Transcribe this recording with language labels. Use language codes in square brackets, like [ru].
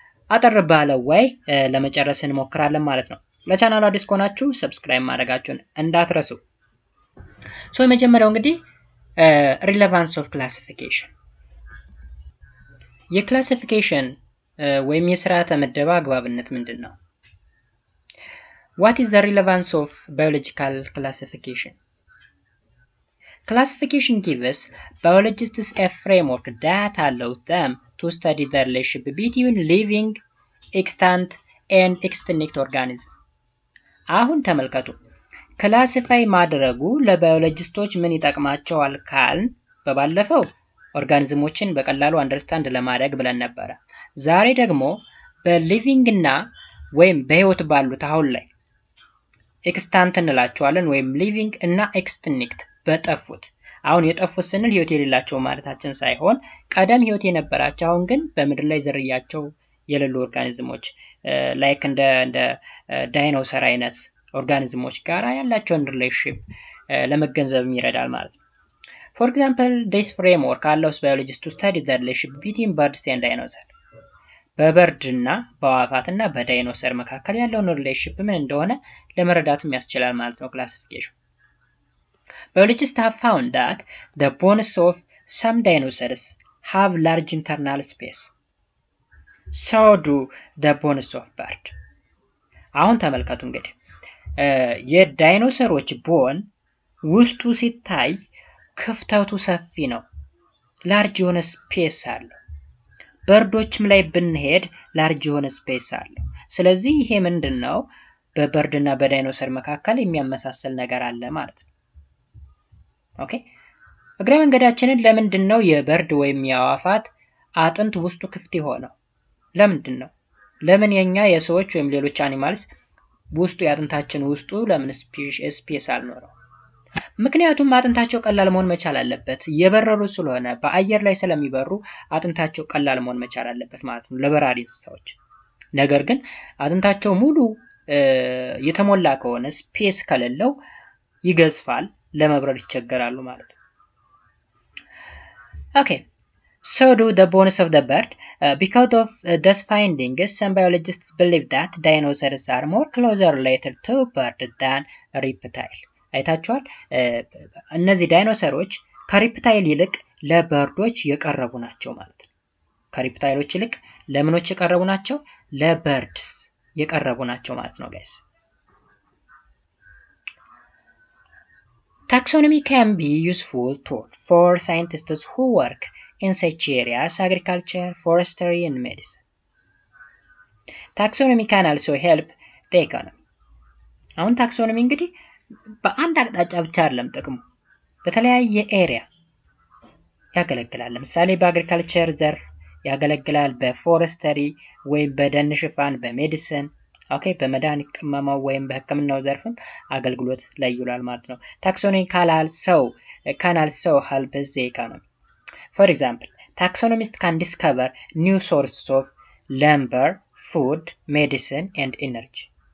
[am] አጠር ባለው ወይ ለመጨረስ እንሞክራለን ማለት ነው። ለቻናሉ አዲስ ከሆናችሁ ሰብስክራይብ ማድረጋችሁን እንዳትረሱ። ሶ የመጀመሪያው እንግዲህ ሪሌቫንስ ኦፍ ክላሲፊኬሽን የክላሲፊኬሽን ወይም የስርዓተ ምደባ አግባብነት ምንድነው? [en] What is the relevance of biological classification? Classification gives biologists a framework that allows them to study the relationship between living, extant, and extinct organisms. [am] አሁን ተመልከቱ። ክላሲፋይ ማድረጉ ለባዮሎጂስቶች ምን ይጠቅማቸዋል ካልን በባለፈው ኦርጋኒዝሞችን በቀላሉ አንደርስታንድ ለማድረግ ብለን ነበር። ዛሬ ደግሞ በሊቪንግ እና ወይም በህይወት ባሉት አሁን ላይ ኤክስታንት እንላቸዋለን ወይም ሊቪንግ እና ኤክስቲንክት በጠፉት። አሁን የጠፉት ስንል ህይወት የሌላቸው ማለታችን ሳይሆን ቀደም ህይወት የነበራቸው አሁን ግን በመድር ላይ ዝርያቸው የሌሉ ኦርጋኒዝሞች ላይክ እንደ ዳይኖሰር አይነት ኦርጋኒዝሞች ጋራ ያላቸው ሪሌሽንሺፕ ለመገንዘብም ይረዳል ማለት ነው። ፎር ኤግዛምፕል [en] this framework allows biologists to study the relationship between birds and dinosaurs. [am] በበርድና በአዋፋትና በዳይኖሰር መካከል ያለውን ሪሌሽንሺፕ ምን እንደሆነ ለመረዳትም ያስችላል ማለት ነው classification. [en] Biologists have found that the bones of some dinosaurs have large internal space. So do the bones of bird. [am] አሁን ተመልከቱ እንግዲህ የዳይኖሰሮች ቦን ውስጡ ሲታይ ክፍተቱ ሰፊ ነው። ላርጅ የሆነ ስፔስ አለ። በርዶችም ላይ ብንሄድ ላርጅ የሆነ ስፔስ አለ። ስለዚህ ይሄ ምንድነው? በበርድና በዳይኖሰር መካከል የሚያመሳስል ነገር አለ ማለት ነው። ኦኬ። እግረ መንገዳችንን ለምንድነው የበርድ ወይም የአዋፋት አጥንት ውስጡ ክፍት ሆነው? ለምንድን ነው? ለምን የኛ የሰዎች ወይም ሌሎች አኒማልስ ውስጡ ያጥንታችን ውስጡ ለምን ስፔስ አልኖረው? ምክንያቱም አጥንታቸው ቀላል መሆን መቻል አለበት። የበረሩ ስለሆነ በአየር ላይ ስለሚበሩ አጥንታቸው ቀላል መሆን መቻል አለበት ማለት ነው ለበራሪ ሰዎች። ነገር ግን አጥንታቸው ሙሉ የተሞላ ከሆነ ስፔስ ከሌለው ይገዝፋል፣ ለመብረር ይቸገራሉ ማለት ነው። ኦኬ። [en] So do the bones of the bird. Because of this finding, some biologists believe that dinosaurs are more closely related to birds than reptiles. [am] አይታችኋል? እነዚህ ዳይኖሰሮች ከሪፕታይል ይልቅ ለበርዶች የቀረቡ ናቸው ማለት ነው። ከሪፕታይሎች ይልቅ ለምኖች የቀረቡ ናቸው? ለበርድስ የቀረቡ ናቸው ማለት ነው ጋይስ። [en] Taxonomy can be useful tool for scientists who work in such areas, agriculture, forestry, and medicine. Taxonomy can also help the economy. [am] አሁን ታክሶኖሚ እንግዲህ በአንድ አቅጣጫ ብቻ አይደለም ጥቅሙ፣ በተለያየ ኤሪያ ያገለግላል። ለምሳሌ በአግሪካልቸር ዘርፍ ያገለግላል፣ በፎረስተሪ ወይም በደን ሽፋን፣ በሜዲሲን ኦኬ፣ በመድኃኒት ቅመማው ወይም በሕክምናው ዘርፍም አገልግሎት ላይ ይውላል ማለት ነው። [en] ታክሶኖሚ ካን አልሶ ሄልፕ ዘ ኢኮኖሚ። For example, taxonomists can discover new sources of lumber, food, medicine, and energy.